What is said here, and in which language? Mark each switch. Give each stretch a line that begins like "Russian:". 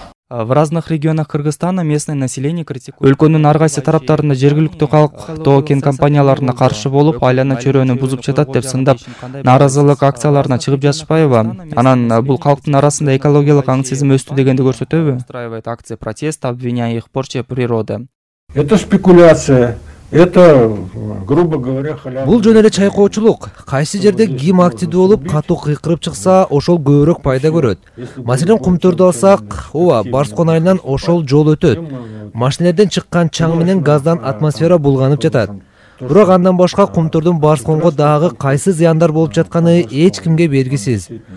Russian: В разных регионах Кыргызстана местное население критикует.
Kyrgyz: Өлкөнүн ар кайсы тараптарында жергиликтүү калк тоо-кен компанияларына каршы болуп, айлана чөйрөнү бузуп жатат деп сындап, нааразылык акцияларына чыгып жатышпайбы? Анан бул калктын арасында экологиялык аң сезим өстү дегенди көрсөтөбү?
Russian: Устраивает акция протеста, обвиняя их в порче природы. Это спекуляция. Это, грубо говоря, халява.
Kyrgyz: Бул жөн эле чайкоочулук. Кайсы жерде ким активдүү болуп, катуу кыйкырып чыкса, ошол көбүрөөк пайда көрөт. Маселен, Кумтөрдү алсак, ооба, Барскон айынан ошол жол өтөт. Машинелерден чыккан чаң менен газдан атмосфера булганып жатат. Бирок андан башка Кумтөрдүн Барсконго дагы кайсы зыяндар болуп жатканы эч кимге белгисиз.